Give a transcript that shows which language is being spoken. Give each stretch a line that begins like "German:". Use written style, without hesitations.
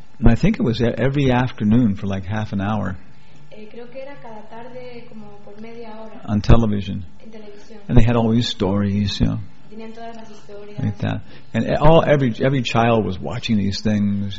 English: And I think it was every afternoon for like half an hour.
Spanish: Creo que era cada tarde como por media hora.
English: On television.
Spanish: En televisión.
English: And they had all these stories, you know. Like that, and every child was watching these things.